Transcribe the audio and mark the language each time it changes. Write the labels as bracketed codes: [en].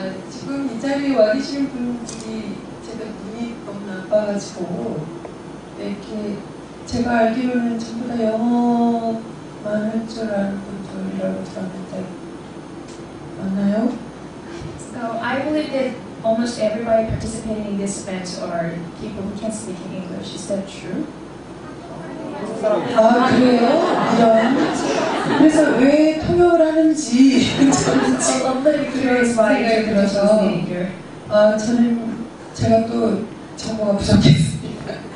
[ko] 지금 이 자리에 와 계신 분들이 제가 눈이 너무 나빠가지고 이렇게 제가 알기로는 전부 다 영어만 할 줄 아는 분들이라고 들었는데 맞나요? [en] So I believe that almost everybody participating in this event are people who can speak English. Is that true? [ko] 아 그래요? 이런 그래서 왜 통역을 하는지 저는 생각이 들어서 아 저는 제가 또 정보가 부족했습니다.